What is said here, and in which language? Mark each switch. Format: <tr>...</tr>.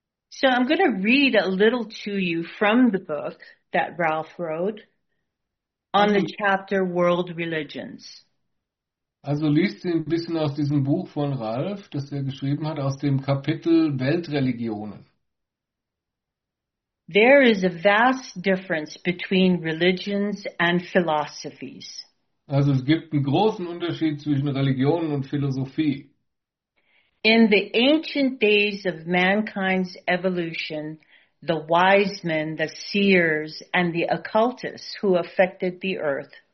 <en>So I'm going to read a little to you from the book that Ralph wrote on the chapter World Religions.</en> <de>Also liest sie ein bisschen aus diesem Buch von Ralph, das er geschrieben hat, aus dem Kapitel Weltreligionen.</de> <en>There is a vast difference between religions and philosophies.</en> <de>Also es gibt einen großen Unterschied zwischen Religionen und Philosophie.</de> <en>In the ancient days of mankind's evolution, the wise men, the seers, and the occultists who affected the earth.</en>